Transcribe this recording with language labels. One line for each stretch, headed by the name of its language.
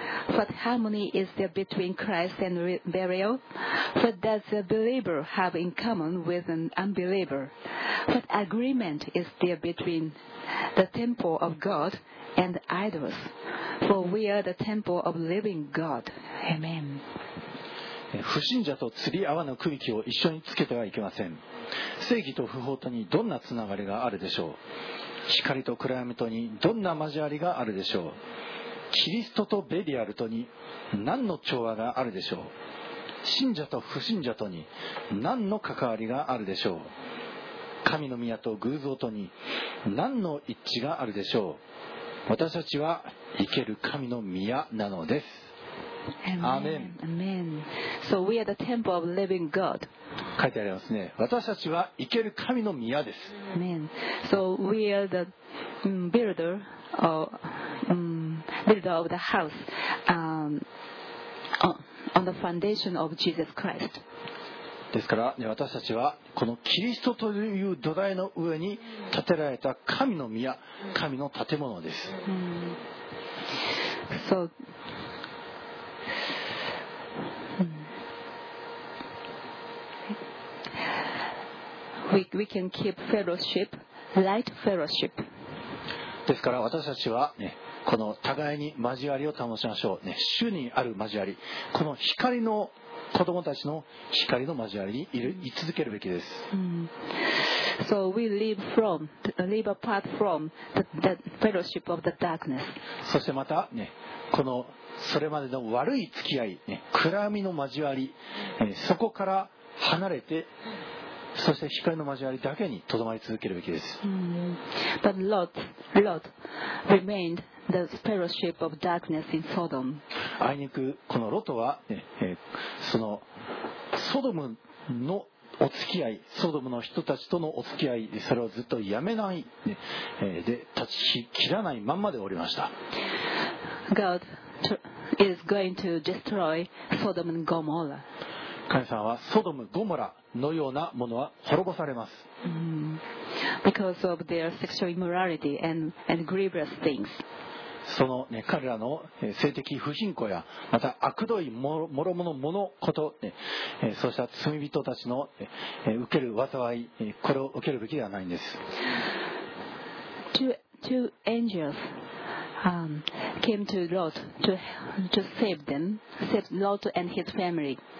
English: What harmony is there between Christ and Belial? What does a believer have in common with an unbeliever? What agreement is there between the temple of God and idols? For we are the temple of living God. Amen.
Japanese: 不信者と釣り合わぬ区域を一緒につけてはいけません。正義と不法とにどんなつながりがあるでしょう。光と暗闇とにどんな交わりがあるでしょう。キリストとベリアルとに何の調和があるでしょう。信者と不信者とに何の関わりがあるでしょう。神の宮と偶像とに何の一致があるでしょう。私たちは生ける神の宮なのです。アーメン。アーメン。
English: So we are the temple of living God.
Japanese: 書いてありますね。私たちは生ける神の宮です。アーメン。
English: So we are the builder or builder of the house on the foundation of Jesus Christ.
Japanese: ですから、ね、私たちはこのキリストという土台の上に建てられた神の宮、神の建物です。
English: So, we can keep fellowship, light fellowship.
Japanese: ですから私たちは、ね、この互いに交わりを保ちましょう、ね、主にある交わり、この光の子供たちの光の交わりに居続けるべきです。
English: So we live apart from the fellowship of the darkness.
Japanese: そしてまた、ね、このそれまでの悪い付き合い、ね、暗闇の交わり、そこから離れて、そして光の交わりだけにとどまり続けるべきです。
English: But Lot remained the fellowship of darkness in Sodom.
Japanese: あいにくこのロトは、ね、そのソドムのお付き合い、ソドムの人たちとのお付き合い、それをずっとやめない、ね、で断ち切らないまんまでおりました。
English: God is going to destroy Sodom and Gomorrah.
Japanese: 神さんはソドム、ゴモラのようなものは滅ぼされます。
English: Because of their sexual immorality and grievous things.
Japanese: その、ね、彼らの性的不信仰やまた悪どい諸々ものこと、ね、そうした罪人たちの受ける災い、これを受けるべきではないんです。
English: Two angels、came to Lot to save them, save Lot and his family。